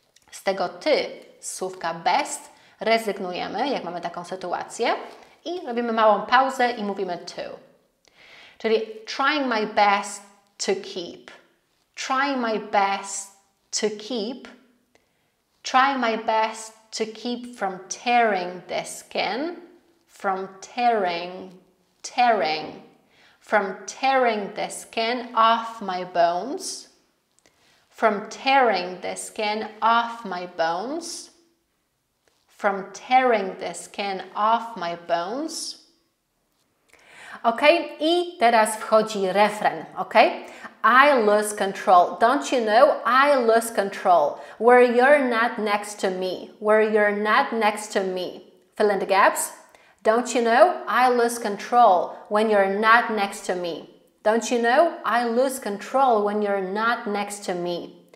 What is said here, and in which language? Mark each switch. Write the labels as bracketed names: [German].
[Polish] Z tego ty, słówka best, rezygnujemy, jak mamy taką sytuację i robimy małą pauzę i mówimy to. [English] Czyli trying my best to keep. Trying my best to keep. Trying my best to keep from tearing the skin. From tearing, tearing. From tearing the skin off my bones. From tearing the skin off my bones. From tearing the skin off my bones. [Polish] Ok, i teraz wchodzi refren, ok? [English] I lose control. Don't you know? I lose control. Where you're not next to me. Where you're not next to me. Fill in the gaps. Don't you know? I lose control when you're not next to me. Don't you know? I lose control when you're not next to me.